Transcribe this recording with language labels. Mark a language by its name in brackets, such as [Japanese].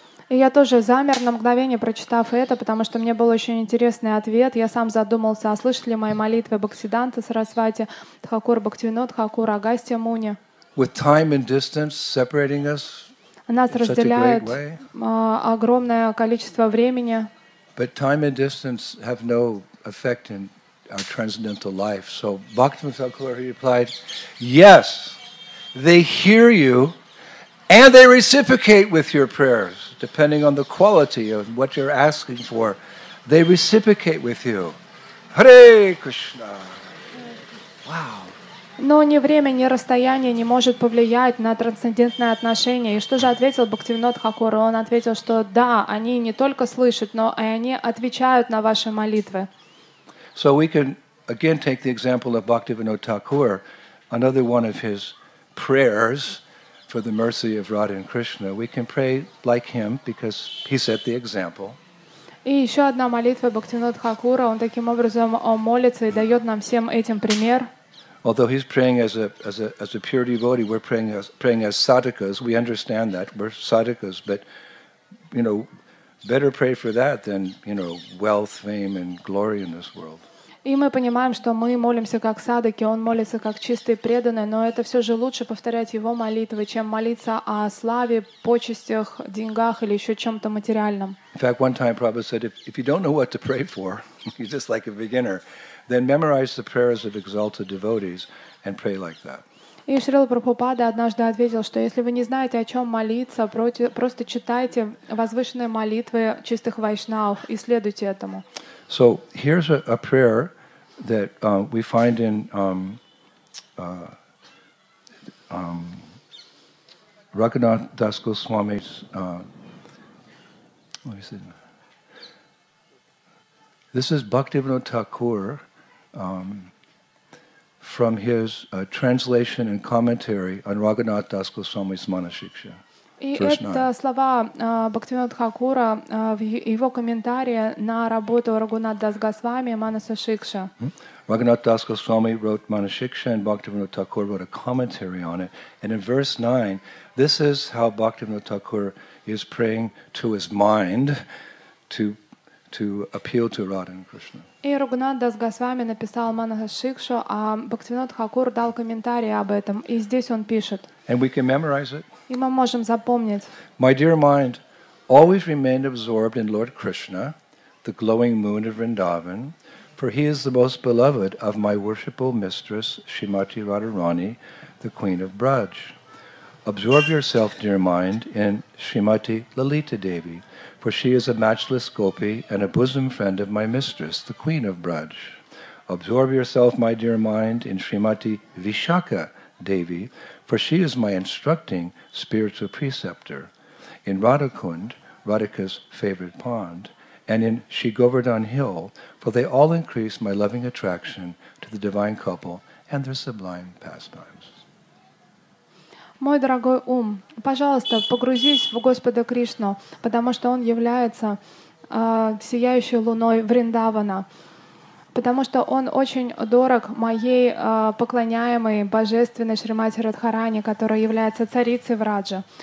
[Russian] И я тоже замер на мгновение, прочитав это, потому что мне был очень интересный ответ. Я сам задумался, а слышат ли мои молитвы Бхактисиддханта Сарасвати, Тхакур Бхактивинода Тхакур, Агастья Муни? [English] With time and distance separating us, [Russian] нас разделяет огромное количество времени. [English] But time and distance have no effect in our transcendental life. So Bhaktivinoda Thakur replied, yes, they hear you, and they reciprocate with your prayers, depending on the quality of what you're asking for. They reciprocate with you. Hare Krishna! Wow! [Russian] Но ни время, ни расстояние не может повлиять на трансцендентное отношение. И что же ответил Бхактивинод Хакур? Он ответил, что да, они не только слышат, но и они отвечают на ваши молитвы. [English] So we can again take the example of Bhaktivinoda Thakur, another one of his prayers for the mercy of Radha and Krishna. We can pray like him because he set the example. [Russian] И еще одна молитва Бхактивинода Тхакура, он таким образом молится и дает нам всем этим пример. [English] Although he's praying as a pure devotee, we're praying as sadhakas. We understand that we're sadhakas, but you know, better pray for that than, you know, wealth, fame and glory in this world. [Russian] И мы понимаем, что мы молимся как садаки, он молится как чистый преданный, но это все же лучше повторять его молитвы, чем молиться о славе, почестях, деньгах или еще чем-то материальном. [English] In fact, one time Prabhupada said, if you don't know what to pray for, you're just like a beginner, then memorize the prayers of exalted devotees and pray like that. [Russian] И Шрила Прабхупада однажды ответил, что если вы не знаете, о чем молиться, просто читайте возвышенные молитвы чистых вайшнавов и следуйте этому. [English] So here's a prayer that we find in Raghunath Das Goswami's. Let me see. This is Bhaktivinoda Thakur from his translation and commentary on Raghunath Das Goswami's Manashiksha. [Russian] И это слова Бхактивинода Тхакура в его комментарии на работу Рагунат Дас Госвами Манаса Шикша. [English] Рагунат Дас Госвами wrote Manashiksha, and Бхактивинода Тхакур wrote a commentary on it. And in verse 9, this is how Бхактивинода Тхакур is praying to his mind to appeal to Radha and Krishna. [Russian] И Рагунат Дас Госвами написал Манаса Шикшу, а Бхактивинода Тхакур дал комментарий об этом. И здесь он пишет. [English] And we can memorize it. [Russian] И мы можем запомнить. [English] My dear mind, always remained absorbed in Lord Krishna, the glowing moon of Vrindavan, for he is the most beloved of my worshipful mistress, Srimati Radharani, the Queen of Braj. Absorb yourself, dear mind, in Srimati Lalita Devi, for she is a matchless gopi and a bosom friend of my mistress, the Queen of Braj. Absorb yourself, my dear mind, in Srimati Vishakha Devi, for she is my instructing spiritual preceptor, in Radhakund, Radhika's favorite pond, and in Sri Govardhan Hill, for they all increase my loving attraction to the divine couple and their sublime pastimes. [Russian] Мой дорогой ум, пожалуйста, погрузись в Господа Кришну, потому что Он является сияющей луной Вриндавана, потому что Он очень дорог моей поклоняемой божественной Шримати Радхарани, которая является царицей Враджа.